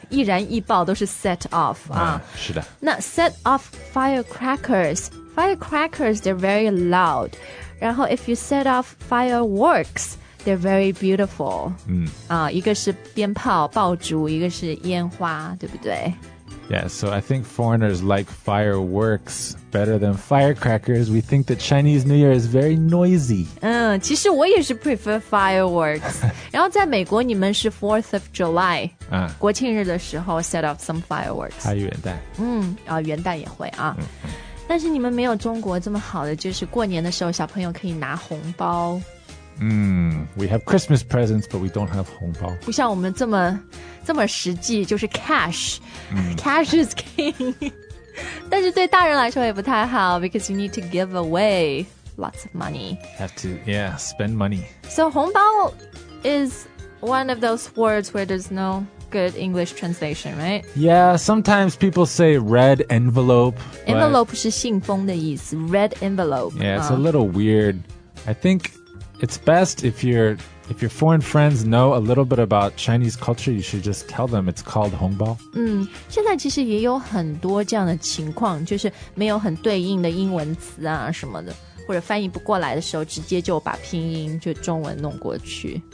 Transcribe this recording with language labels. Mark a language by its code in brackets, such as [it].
[zh] 易燃易爆都是 [en] set off [zh] 啊，是的 [en] 那 set off firecrackers Firecrackers they're very loud 然后 if you set off fireworksThey're very beautiful. [zh] 一个是鞭炮、爆竹，一个是烟花，对不对 [en] ？Yeah, so I think foreigners like fireworks better than firecrackers. We think that Chinese New Year is very noisy. [zh] 嗯，其实我也是 [en] prefer fireworks. [zh] 然后在美国，你们是 Fourth of July， 国庆日的时候 [en] set off some fireworks. [zh] 还有元旦。元旦也会啊。但是你们没有中国这么好的，就是过年的时候小朋友可以拿红包。 [en] We have Christmas presents, but we don't have 红包。 [zh] 不像我们这么这么实际，就是 cash.、Mm. [en] Cash is king. [zh] 但是对大人来说也不太好 [en] because you need to give away lots of money. Have to, yeah, spend money. So 红包 is one of those words where there's no good English translation, right? Yeah, sometimes people say red envelope. [zh] Envelope 是信封的意思 red envelope. [en] Yeah, it's a little weird. I think... It's best if, you're, if your foreign friends know a little bit about Chinese culture, you should just tell them it's called 红包。 [zh] 现在其实也有很多这样的情况，就是没有很对应的英文词啊什么的，或者翻译不过来的时候，直接就把拼音就中文弄过去。